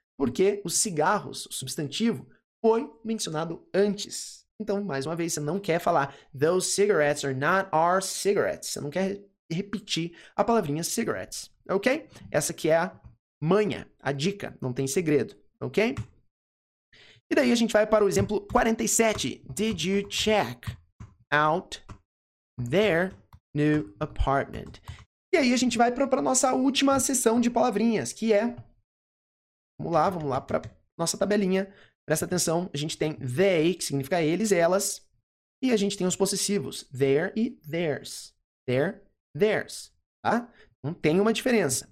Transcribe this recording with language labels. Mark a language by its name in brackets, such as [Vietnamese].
[Portuguese] Porque os cigarros, o substantivo, foi mencionado antes. Então, mais uma vez, você não quer falar [English] those cigarettes are not our cigarettes. [Portuguese] Você não quer repetir a palavrinha cigarettes, ok? Essa aqui é a manha, a dica, não tem segredo, ok? E daí a gente vai para o exemplo 47. [English] Did you check out their new apartment? [Portuguese] E aí a gente vai para a nossa última sessão de palavrinhas, que é... vamos lá para nossa tabelinha. Presta atenção, a gente tem they, que significa eles, elas, e a gente tem os possessivos, their e theirs. Their, theirs, tá? Não tem uma diferença.